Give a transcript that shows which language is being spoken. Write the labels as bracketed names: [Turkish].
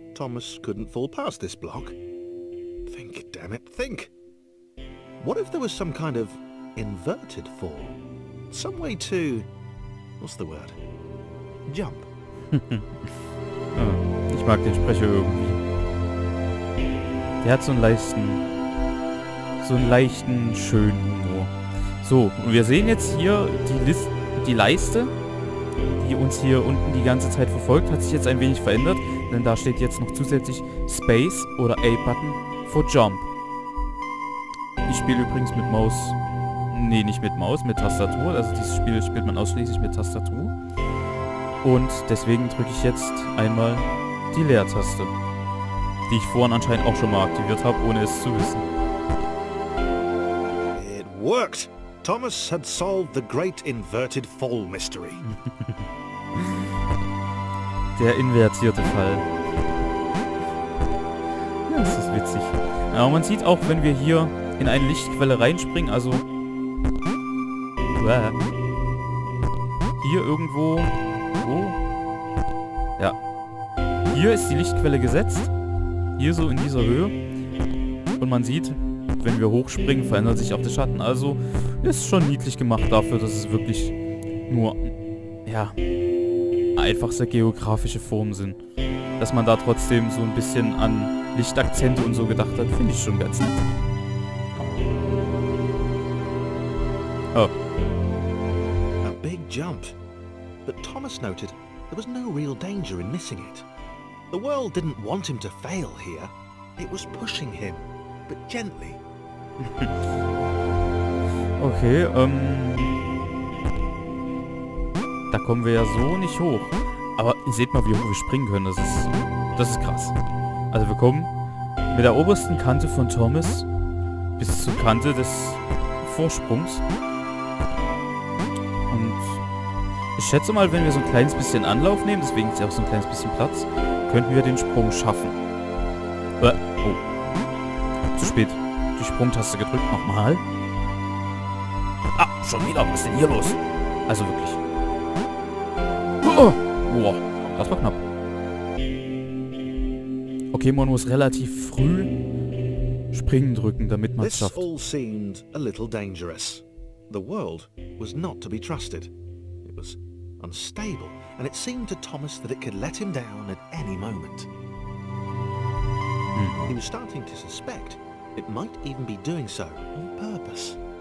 [English] Thomas couldn't fall past this block. Think, damn it, think. What if there was some kind of inverted fall? Some way to... What's the word? Jump. [German] Oh, ich mag den Sprecher irgendwie. Der hat so einen leichten so einen leichten, schönen Humor. So, und wir sehen jetzt hier die Leiste, die uns hier unten die ganze Zeit verfolgt, hat sich jetzt ein wenig verändert, denn da steht jetzt noch zusätzlich Space oder A-Button for Jump. Ich spiele übrigens mit Maus, nee, nicht mit Maus, mit Tastatur, also dieses Spiel spielt man ausschließlich mit Tastatur. Und deswegen drücke ich jetzt einmal die Leertaste, die ich vorhin anscheinend auch schon mal aktiviert habe, ohne es zu wissen. [English] It worked. Thomas had solved the great inverted fall mystery. [German] Der invertierte Fall. Ja, das ist witzig. Aber man sieht auch, wenn wir hier in eine Lichtquelle reinspringen, also hier irgendwo. Oh. Ja. Hier ist die Lichtquelle gesetzt. Hier so in dieser Höhe. Und man sieht, wenn wir hochspringen, verändert sich auch der Schatten. Also ist schon niedlich gemacht dafür, dass es wirklich nur, ja, einfachste geografische Formen sind. Dass man da trotzdem so ein bisschen an Lichtakzente und so gedacht hat, finde ich schon ganz nett. Oh. [English] A big jump. But Thomas noted, there was no real danger in missing it. The world didn't want him to fail here. It was pushing him, but gently. [German] Okay, da kommen wir ja so nicht hoch. Aber seht mal, wie hoch wir springen können. Das ist krass. Also wir kommen mit der obersten Kante von Thomas bis zur Kante des Vorsprungs. Und ich schätze mal, wenn wir so ein kleines bisschen Anlauf nehmen, deswegen ist ja auch so ein kleines bisschen Platz, könnten wir den Sprung schaffen. Oh. Zu spät. Die Sprungtaste gedrückt. Nochmal. Ah, schon wieder. Was ist denn hier los? Also wirklich. Boah, oh, das war knapp. Okay, man muss relativ früh springen drücken, damit man es schafft. [English] This all seemed a little dangerous. The world was not to be trusted. It was unstable, and it seemed to Thomas that it could let him down at any moment. He was starting to suspect it might even be doing so on purpose.